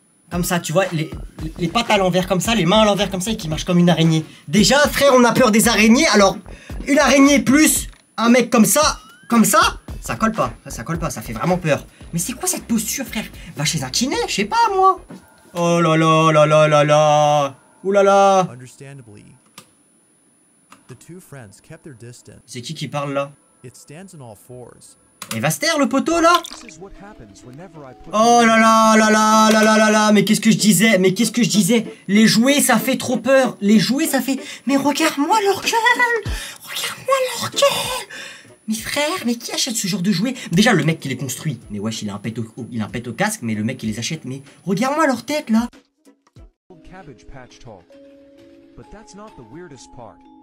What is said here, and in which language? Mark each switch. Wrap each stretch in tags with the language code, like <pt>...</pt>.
<fr>Comme ça, tu vois, les pattes à l'envers comme ça, les mains à l'envers comme ça, et qui marche comme une araignée. Déjà, frère, on a peur des araignées, alors... Une araignée plus un mec comme ça, ça colle pas. Ça colle pas, ça fait vraiment peur. Mais c'est quoi cette posture, frère? Va chez un kiné, je sais pas, moi. Oh là là là là là là. Ouh là là.</fr> <en>Understandably, the two friends kept their distance.</en> <fr>C'est qui parle, là?</fr> <en>It stands on all fours.</en> <fr>Et va se taire le poteau là. Oh là là là là là là là là. Mais qu'est-ce que je disais? Mais qu'est-ce que je disais? Les jouets ça fait trop peur. Les jouets ça fait... Mais regarde-moi leur gueule. Regarde-moi leur gueule. Mes frères, mais qui achète ce genre de jouets? Déjà le mec qui les construit. Mais wesh, il a un pet au... Il a un pet au casque. Mais le mec qui les achète. Mais regarde-moi leur tête là.</fr> <en>Cabbage patch talk. But that's not the weirdest part.</en>